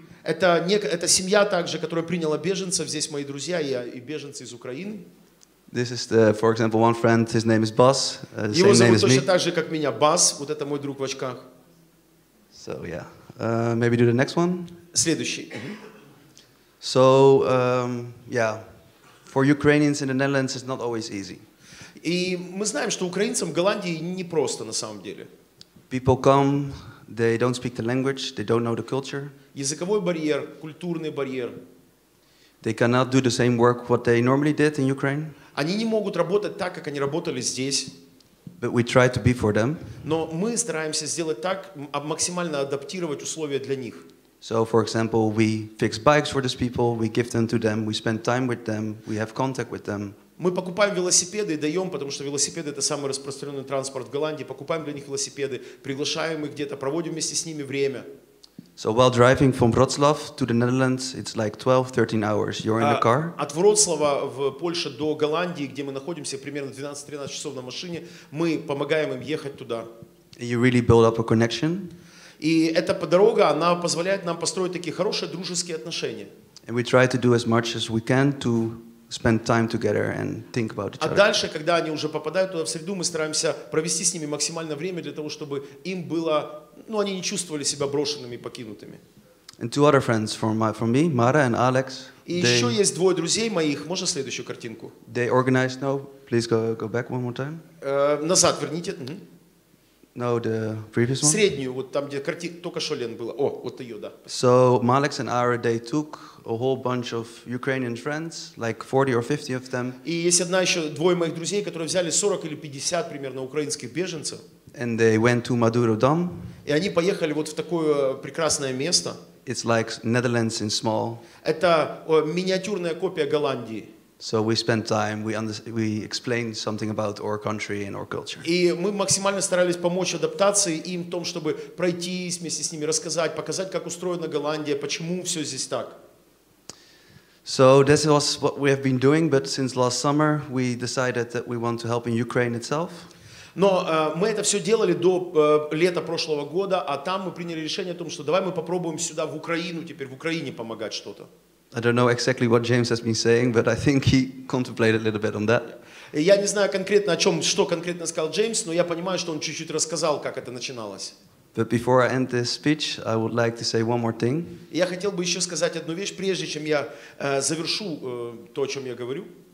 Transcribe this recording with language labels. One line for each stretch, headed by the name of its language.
Russian: Это семья также, которая приняла беженцев. Здесь мои друзья, я и беженцы из Украины.
English: This is, the, for example, one friend. His name is Bas.
Russian: Его зовут точно так же, как меня, Бас. Вот это мой друг в очках.
English: So yeah, maybe do the next one.
Russian: Следующий.
English: So yeah, for Ukrainians in the Netherlands, it's not always easy.
Russian: И мы знаем, что украинцам в Голландии не просто на самом деле.
English: People come, they don't speak the language, they don't know the culture.
Russian: Языковой барьер, культурный барьер.
English: They cannot do the same work what they normally did in Ukraine.
Russian: Они не могут работать так, как они работали здесь.
English: But we try to be for them.
Russian: Но мы стараемся сделать так, максимально адаптировать условия для них.
English: So, for example, we fix bikes for these people, we give them to them, we spend time with them, we have contact with them.
Russian: Мы покупаем велосипеды и даем, потому что велосипеды — это самый распространенный транспорт в Голландии. Покупаем для них велосипеды, приглашаем их где-то, проводим вместе с ними время.
English: So while driving from Wrocław to the Netherlands, it's like 12-13 hours. You're in the car.
Russian: От Вроцлава в Польше до Голландии, где мы находимся, примерно 12-13 часов на машине, мы помогаем им ехать туда.
English: You really build up a connection.
Russian: И эта дорога, она позволяет нам построить такие хорошие дружеские отношения.
English: And we try to do as much as we can to spend time together and think about each other.
Russian: А дальше, когда они уже попадают туда в среду, мы стараемся провести с ними максимально время для того, чтобы им было, ну, они не чувствовали себя брошенными, покинутыми.
English: And two other friends from me, Mara and Alex.
Russian: И еще есть двое друзей моих. Можно следующую картинку?
English: They organized. No, please go back one more time.
Russian: Назад верните.
English: No, the previous one.
Russian: Среднюю, вот там, где картинка только что Лен была. О, вот ее, да.
English: So Alex and Ara, they took a whole bunch of Ukrainian friends, like 40 or 50 of them.
Russian: И есть одна еще, двое моих друзей, которые взяли 40 или 50 примерно украинских беженцев.
English: And they went to Maduro Dom.
Russian: И они поехали вот в такое прекрасное место.
English: It's like Netherlands in small.
Russian: Это миниатюрная копия Голландии.
English: So we spend time, we explain something about our country and our culture.
Russian: И мы максимально старались помочь адаптации им, в том, чтобы пройтись вместе с ними, рассказать, показать, как устроена Голландия, почему все здесь так.
English: So this was what we have been doing, but since last summer we decided that we want to help in Ukraine itself.
Russian: Но мы это все делали до лета прошлого года, а там мы приняли решение о том, что давай мы попробуем сюда, в Украину, теперь в Украине помогать что-то.
English: I don't know exactly what James has been saying, but I think he contemplated a little bit on that.
Russian: Я не знаю конкретно о чем, что конкретно сказал Джеймс, но я понимаю, что он чуть-чуть рассказал, как это начиналось.
English: But before I end this speech, I would like to say one more thing.
Russian: Я хотел бы еще сказать одну вещь, прежде чем я завершу то, о чем я говорю.